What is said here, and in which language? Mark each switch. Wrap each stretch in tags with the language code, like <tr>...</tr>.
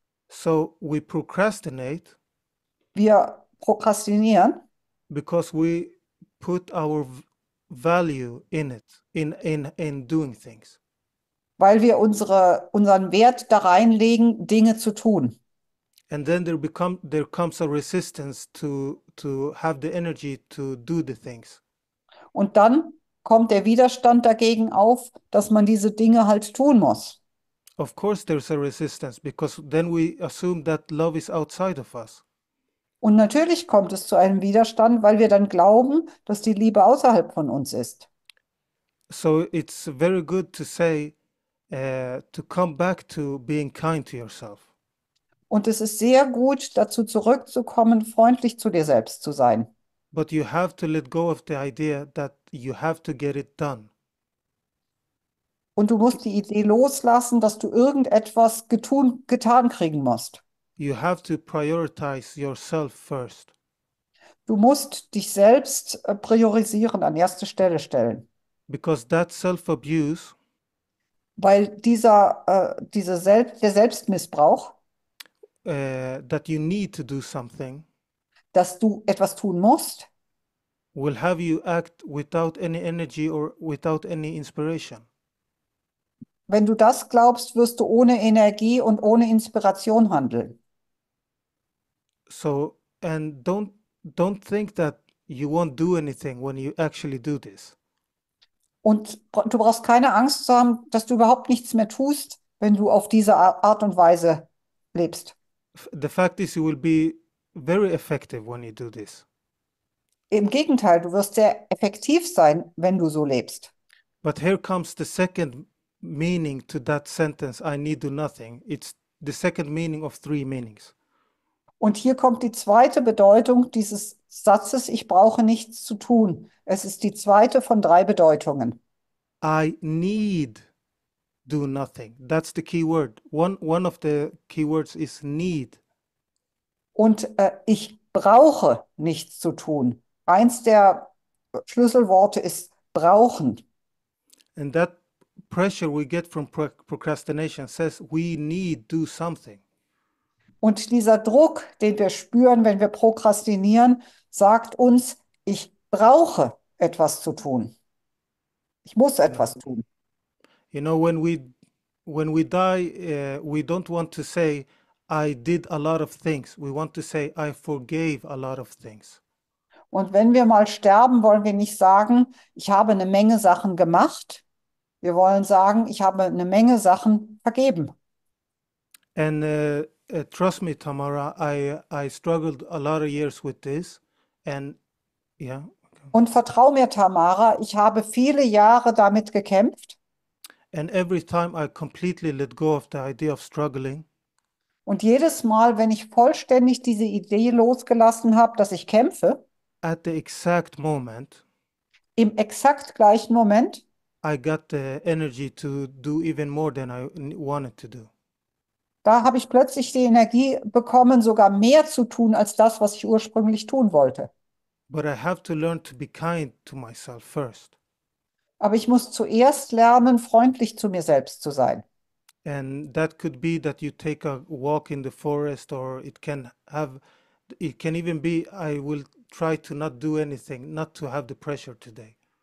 <en>So we procrastinate</en> <de>Wir prokrastinieren.</de> <en>because we put our value in it, in doing things.</en> <de>Weil wir unseren Wert da reinlegen, Dinge zu tun.</de> <en>And then there comes a resistance to have the energy to do the things.</en> <de>Und dann kommt der Widerstand dagegen auf, dass man diese Dinge halt tun muss.</de> <en>Of course, there's a resistance because then we assume that love is outside of us.</en> <de>Und natürlich kommt es zu einem Widerstand, weil wir dann glauben, dass die Liebe außerhalb von uns ist.</de> <en>So it's very good to say, to come back to being kind to yourself.</en> <de>Und es ist sehr gut, dazu zurückzukommen, freundlich zu dir selbst zu sein.</de> <en>But you have to let go of the idea that you have to get it done.</en> <de>Und du musst die Idee loslassen, dass du irgendetwas getan kriegen musst.</de> <en>You have to prioritize yourself first.</en> <de>Du musst dich selbst priorisieren, an erste Stelle stellen.</de> <en>Because that self-abuse,</en> <de>Weil der Selbstmissbrauch,</de> <en>that you need to do something,</en> <de>dass du etwas tun musst,</de> <en>will have you act without any energy or without any inspiration.</en> <de>wenn du das glaubst, wirst du ohne Energie und ohne Inspiration handeln.</de> <en>So, and don't think that you won't do anything when you actually do this.</en> <de>Und du brauchst keine Angst zu haben, dass du überhaupt nichts mehr tust, wenn du auf diese Art und Weise lebst.</de> <en>The fact is, you will be very effective when you do this.</en> <de>Im Gegenteil, du wirst sehr effektiv sein, wenn du so lebst.</de> <en>But here comes the second meaning to that sentence, I need do nothing. It's the second meaning of three meanings.</en> <de>Und hier kommt die zweite Bedeutung dieses Satzes, ich brauche nichts zu tun. Es ist die zweite von drei Bedeutungen.</de> <en>I need do nothing. That's the key word. One of the key words is need.</en> <de>Und ich brauche nichts zu tun. Eins der Schlüsselworte ist brauchen.</de> <en>And that pressure we get from procrastination says we need do something.</en> <de>Und dieser Druck, den wir spüren, wenn wir prokrastinieren, sagt uns, ich brauche etwas zu tun. Ich muss etwas tun.</de> <en>You know, when we die, we don't want to say, I did a lot of things. We want to say, I forgave a lot of things.</en> <de>Und wenn wir mal sterben, wollen wir nicht sagen, ich habe eine Menge Sachen gemacht. Wir wollen sagen, ich habe eine Menge Sachen vergeben.</de> <en>And trust me, Tamara, I struggled a lot of years with this, and yeah.</en> <de>Und vertrau mir, Tamara, ich habe viele Jahre damit gekämpft.</de> <en>And every time I completely let go of the idea of struggling,</en> <de>Und jedes Mal, wenn ich vollständig diese Idee losgelassen habe, dass ich kämpfe,</de> <en>at the exact moment,</en> <de>im exakt gleichen Moment,</de> <en>I got the energy to do even more than I wanted to do.</en> <de>da habe ich plötzlich die Energie bekommen, sogar mehr zu tun als das, was ich ursprünglich tun wollte.</de> <en>But I have to learn to be kind to myself first.</en> <de>Aber ich muss zuerst lernen, freundlich zu mir selbst zu sein.</de> <en>And that could be that you take a walk in the forest, or it can even be I will try to not do anything, not to have the pressure today.</en>